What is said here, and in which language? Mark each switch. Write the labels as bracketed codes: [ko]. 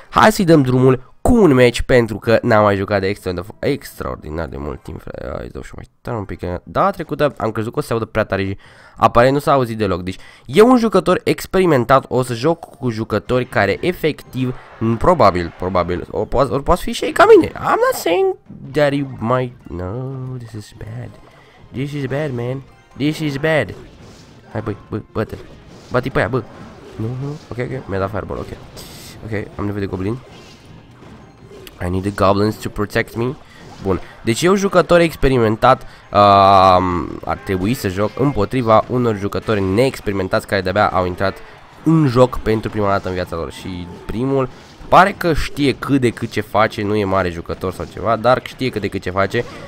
[ro] Hai să-i dăm drumul cu un match, pentru că n-am mai jucat de extraordinar de mult timp, frate. Hai, dau și mai tare un pic. Data trecută am crezut că o să se audă prea tare și aparent nu s-a auzit deloc. Deci e un jucător experimentat, o să joc cu jucători care efectiv, probabil, ori poate fi și ei ca mine. [en] I'm not saying that you might... No, this is bad. This is bad, man. This is bad. [ro] Hai, bătă-l. Bătii pe aia, bă. Nu, nu, ok, ok, mi-a dat fireball, ok. Ok, am nevoie de goblin. [en] I need the goblins to protect me. [ro] Bun, deci eu, jucător experimentat, ar trebui să joc împotriva unor jucători neexperimentați care de-abia au intrat în joc pentru prima dată în viața lor. Și primul pare că știe cât de cât ce face, nu e mare jucător sau ceva, dar știe cât de cât ce face.